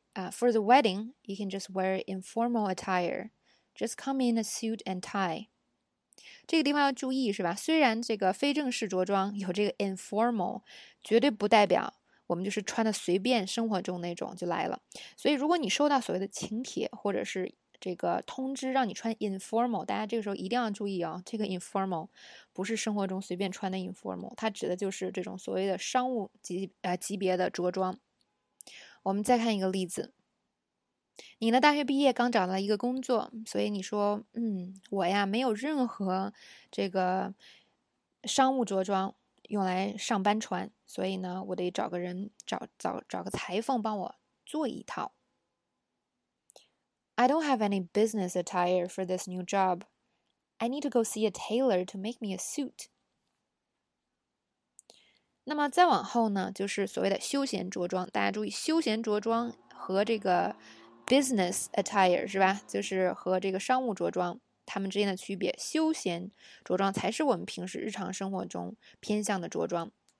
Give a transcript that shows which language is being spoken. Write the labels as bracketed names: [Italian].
[English] For the wedding, you can just wear informal attire. Just come in a suit and tie. [Chinese] 这个地方要注意是吧？虽然这个非正式着装有这个 informal，绝对不代表。我们就是穿的随便，生活中那种就来了。所以，如果你收到所谓的请帖或者是这个通知，让你穿 informal，大家这个时候一定要注意哦。这个 informal 不是生活中随便穿的 informal，它指的就是这种所谓的商务级别的着装。我们再看一个例子，你呢大学毕业刚找到一个工作，所以你说，我呀没有任何这个商务着装。用来上班穿，所以呢，我得找个人找个裁缝帮我做一套。 [English] I don't have any business attire for this new job. I need to go see a tailor to make me a suit. [Chinese] 那么再往后呢，就是所谓的休闲着装。大家注意，休闲着装和这个 business attire 是吧？就是和这个商务着装。它们之间的区别，休闲着装才是我们平时日常生活中偏向的着装。